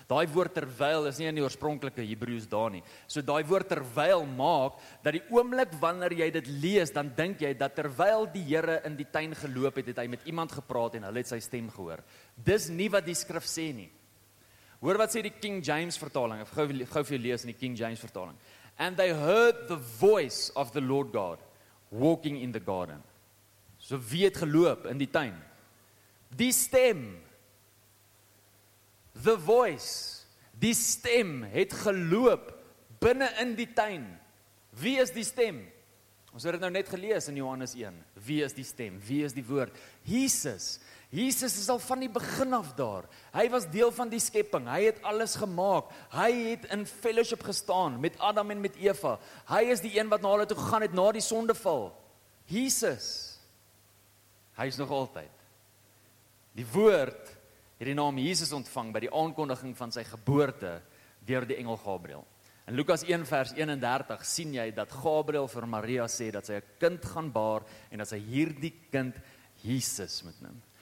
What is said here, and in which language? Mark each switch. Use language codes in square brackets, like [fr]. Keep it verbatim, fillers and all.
[af] Daai woord terwyl is nie in die oorspronklike Hebreëus daar nie. So daai woord terwyl maak, dat die oomblik wanneer jy dit lees, dan dink jy dat terwyl die Here in die tuin geloop het, het hy met iemand gepraat en hulle het sy stem gehoor. Dis nie wat die skrif sê nie. Hoor wat sê die King James vertaling, ek gou gou vir jou lees in die King James vertaling. [en] And they heard the voice of the Lord God walking in the garden. [af] So wie het geloop in die tuin? Die stem. [en] The voice. [af] Die stem het geloop binne in die tuin. Wie is die stem? Ons het dit nou net gelees in Johannes een. Wie is die stem? Wie is die woord? Jesus. Jesus is al van die begin af daar. Hy was deel van die skepping. Hy het alles gemaak. Hy het in fellowship gestaan met Adam en met Eva. Hy is die een wat na hulle toe gegaan het na die sondeval. Jesus. Hy is nog altyd. Die woord het die naam Jesus ontvang by die aankondiging van sy geboorte deur die engel Gabriël. In Lukas een vers eenendertig sien jy dat Gabriël vir Maria sê dat sy 'n kind gaan baar en dat sy hierdie kind Jesus moet noem.